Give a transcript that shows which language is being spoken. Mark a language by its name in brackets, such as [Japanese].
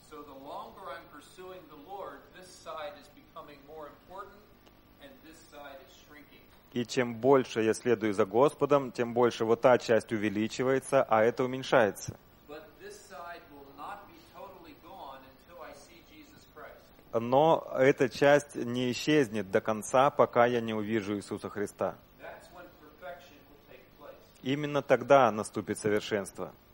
[English] So the longer I'm pursuing the Lord, this side is becoming more important, and this side is shrinking. [Russian] И чем больше я следую за Господом, тем больше вот та часть увеличивается, а это уменьшается. [English] But this side will not be totally gone until I see Jesus Christ. [Russian] Но эта часть не исчезнет до конца, пока я не увижу Иисуса Христа. [English] That's when perfection will take place. [Russian] Именно тогда наступит совершенство.